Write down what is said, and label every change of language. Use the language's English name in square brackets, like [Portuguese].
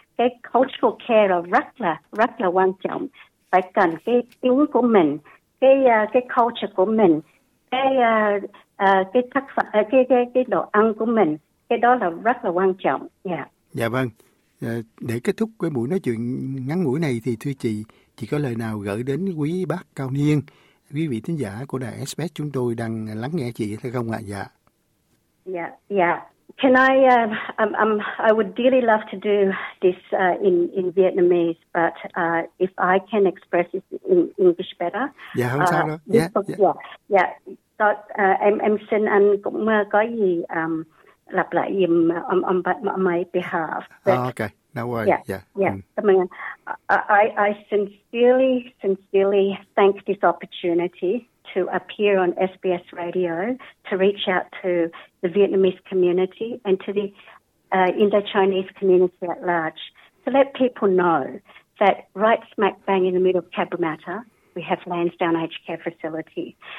[Vietnamese] Cái cultural care là rất là quan trọng, phải cần cái tiếng của mình, cái culture của mình, cái đồ ăn của mình, cái đó là rất là quan trọng. Dạ vâng. Để kết thúc cái buổi nói chuyện ngắn ngủi này thì thưa chị có lời nào gửi đến quý bác cao niên, quý vị thính giả của đài SBS chúng tôi đang lắng nghe chị hay không ạ? Dạ. [English] Can I would dearly love to do this in Vietnamese, but if I can express it in English better. [Vietnamese] Dạ không sao đâu. Dạ. Dạ. Dạ. Em xin anh cũng có gì lặp lại giùm [English] on my behalf. Okay, no worries. I sincerely thank this opportunity to appear on SBS Radio to reach out to the Vietnamese community and to the Indo-Chinese community at large, to let people know that right smack bang in the middle of Cabramatta, we have Lansdowne Aged Care Facility.